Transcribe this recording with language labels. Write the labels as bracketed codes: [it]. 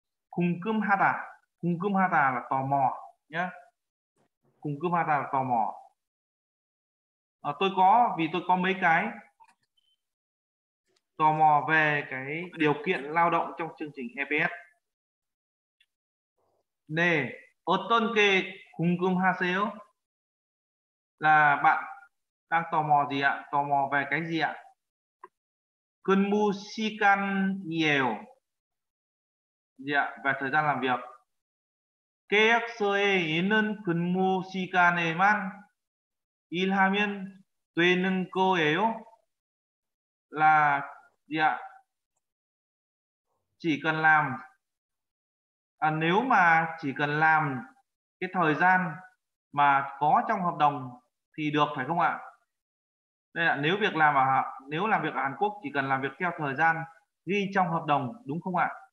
[vi] Kungkum hata là tò mò nhá. Kungkum hata là tò mò. À, tôi có, vì tôi có mấy cái tò mò về cái điều kiện lao động trong chương trình EPS. [ko] Nè, 어떤 게 궁금하세요? [vi] Là bạn đang tò mò gì ạ? Tò mò về cái gì ạ? [ko] 근무 시간이에요. [vi] Gì ạ? Về thời gian làm việc. [ko] 계약서에 있는 근무 시간에만 일하면 되는 거예요? [vi] là gì ạ? Chỉ cần làm nếu mà chỉ cần làm cái thời gian mà có trong hợp đồng thì được phải không ạ? Đây là nếu việc làm ở nếu làm việc ở Hàn Quốc chỉ cần làm việc theo thời gian ghi trong hợp đồng đúng không ạ?